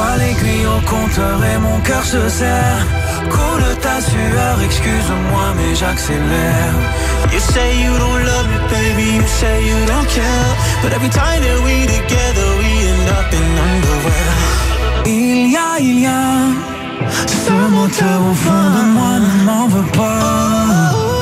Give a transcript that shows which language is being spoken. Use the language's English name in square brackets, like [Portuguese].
[French] aiguille au compteur et mon cœur se serre. Coule ta sueur, excuse-moi mais j'accélère. [English] You say you don't love me, baby, you say you don't care. But every time that we together, we end up in underwear. [French] Il y a, ce moteur au fond de moi ne m'en veut pas.